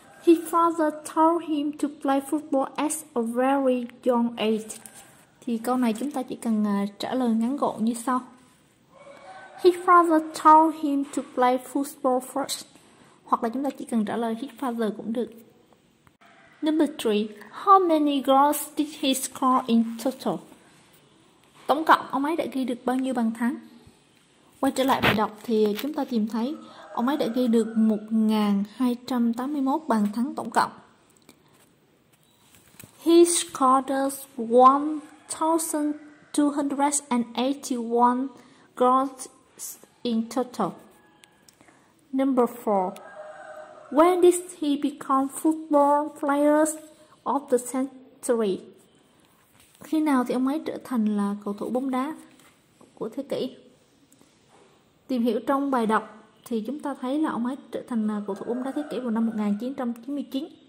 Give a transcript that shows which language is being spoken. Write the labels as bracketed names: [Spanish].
[English] His father taught him to play football at a very young age. [Vietnamese] Thì câu này chúng ta chỉ cần trả lời ngắn gọn như sau. [English] His father taught him to play football first. [Vietnamese] Hoặc là chúng ta chỉ cần trả lời [English] his father [Vietnamese] cũng được. [English] Number 3. How many goals did he score in total? [Vietnamese] Tổng cộng ông ấy đã ghi được bao nhiêu bàn thắng? Quay trở lại bài đọc thì chúng ta tìm thấy ông ấy đã ghi được 1.281 bàn thắng tổng cộng. [English] He scored 1.281 goals in total. Number 4. When did he become football players of the century? [Vietnamese] Khi nào thì ông ấy trở thành là cầu thủ bóng đá của thế kỷ? Tìm hiểu trong bài đọc thì chúng ta thấy là ông ấy trở thành là cầu thủ bóng đá thế kỷ vào năm 1999.